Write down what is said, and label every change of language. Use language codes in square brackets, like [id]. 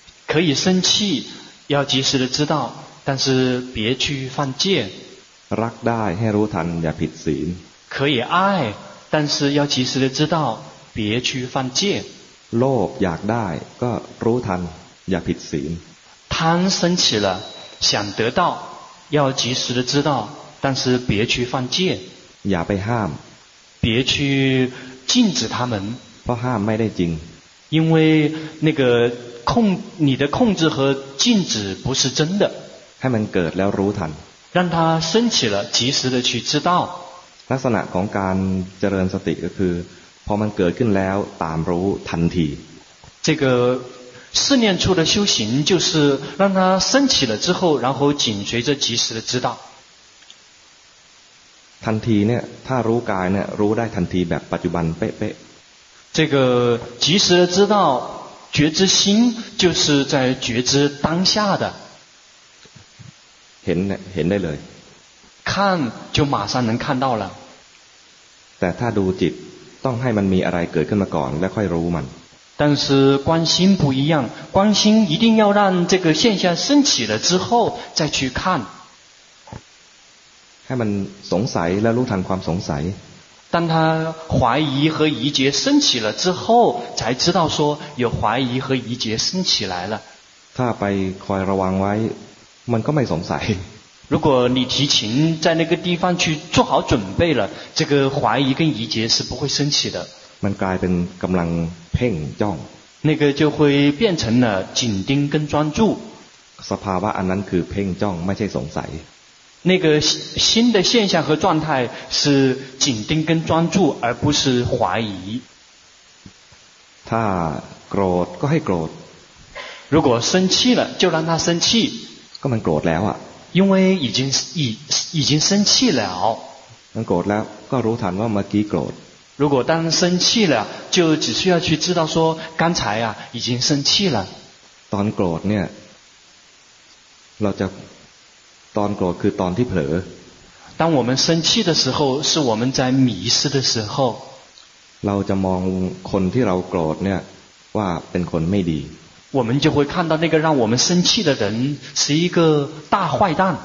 [zh] 可以生气要及时的知道但是别去犯戒 [th] รักได้ให้รู้ทันอย่าผิดศีล [zh] 可以爱但是要及时的知道别去犯戒 [th] โลภอยากได้ก็รู้ทันอย่าผิดศีล [zh] 贪生起了想得到要及时的知道但是别去犯戒 [th] อย่าไปห้าม [zh] 别去禁止他们 [th] เพราะห้ามไม่ได้จริง [zh] 因为那个控你的控制和禁止不是真的 [th] ให้มันเกิดแล้วรู้ทัน [zh] 让它升起了及时的去知道 [th] ลักษณะของการเจริญสติก็คือพอมันเกิดขึ้นแล้วตามรู้ทันที [zh] 这个试炼处的修行就是让它升起了之后然后紧随着及时的知道 [th] ทันทีเนี่ยถ้ารู้กายเนี่ยรู้ได้ทันทีแบบปัจจุบันเป๊ะ [zh] ๆ这个及时的知道觉知心就是在觉知当下的 [th] เห็นได้เลย [zh] 看就马上能看到了 [th] แต่ถ้าดูจิตต้องให้มันมีอะไรเกิดขึ้นมาก่อนแล้วค่อยรู้มัน [zh] 但是观心不一样观心一定要让这个现象升起了之后再去看 [th] ให้มันสงสัยแล้วรู้ทันความสงสัย [zh] 当他怀疑和疑结升起了之后才知道说有怀疑和疑结升起来了 [th] ถ้าไปคอยระวังไว้มันก็ไม่สงสัย [zh] 如果你提前在那个地方去做好准备了这个怀疑跟疑结是不会升起的 [th] มันกลายเป็นกำลังเพ่งจ้อง [zh] 那个就会变成了紧盯跟专注 [th] สภาวะอันนั้นคือเพ่งจ้องไม่ใช่สงสัย [zh] 那个新的现象和状态是紧盯跟专注而不是怀疑 [th] ถ้าโกรธก็ให้โกรธ [zh] 如果生气了就让他生气 [th] ก็มันโกรธแล้วอ่ะ [zh] 因为已经生气了 [th] มันโกรธแล้วก็รู้ทันว่าเมื่อกี้โกรธ [zh] 如果当生气了就只需要去知道说刚才啊已经生气了 [th] ตอนโกรธเนี่ยเราจะ ตอนโกรธคือตอนที่เผลอ [zh] 当我们生气的时候是我们在迷失的时候 [th] เราจะมองคนที่เราโกรธเนี่ยว่าเป็นคนไม่ดี [zh] 我们就会看到那个让我们生气的人是一个大坏蛋